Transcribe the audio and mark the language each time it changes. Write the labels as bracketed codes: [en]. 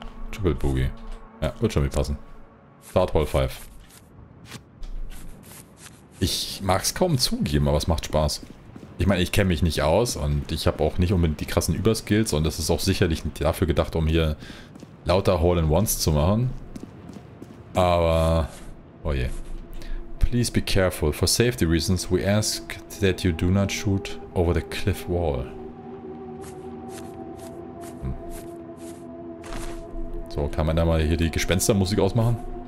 [de] Triple Boogie. Ja, wird schon wie passen. [en] Start Hall 5. [de] Ich mag es kaum zugeben, aber es macht Spaß. Ich meine, ich kenne mich nicht aus und ich habe auch nicht unbedingt die krassen Überskills und das ist auch sicherlich dafür gedacht, um hier lauter Hole-in-Ones zu machen. Aber, oh je. [en] Please be careful. For safety reasons, we ask that you do not shoot over the cliff wall. [de] So, kann man da mal hier die Gespenstermusik ausmachen?